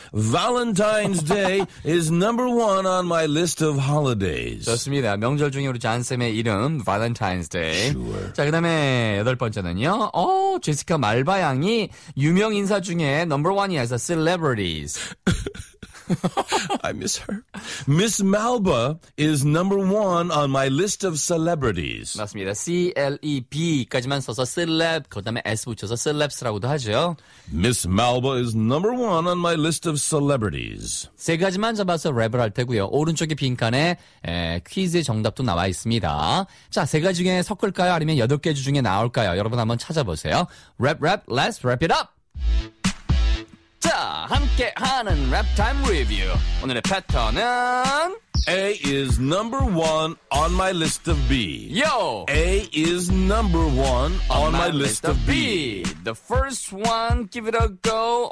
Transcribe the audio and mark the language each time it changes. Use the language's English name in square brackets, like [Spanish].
[English] Valentine's Day is number one on my list of holidays. [Korean] 좋습니다. 명절 중에 우리 잔쌤의 이름, Valentine's Day. [English] Sure. [Korean] 자, 그 다음에 여덟 번째는요. 제시카 말바양이 유명 인사 중에 [English] number one [Korean] 이 해서 celebrities. [English] I miss her. Miss Malba is number one on my list of celebrities. [Korean] 맞습니다. C-L-E-B까지만 써서 celeb, 그 다음에 S 붙여서 celebs라고도 하죠. [English] Miss Malba is number one on my list of celebrities. [Korean] 세 가지만 잡아서 랩을 할 테고요. 오른쪽에 빈칸에 퀴즈의 정답도 나와 있습니다. 자, 세 가지 중에 섞을까요? 아니면 여덟 개 중에 나올까요? 여러분 한번 찾아보세요. [English] Rap, rap, let's wrap it up! [Korean] 자, 함께 하는 랩 타임 리뷰. 오늘의 패턴은 [English] A is number one on my list of B. Yo! A is number one on my list of B. The first one, give it a go.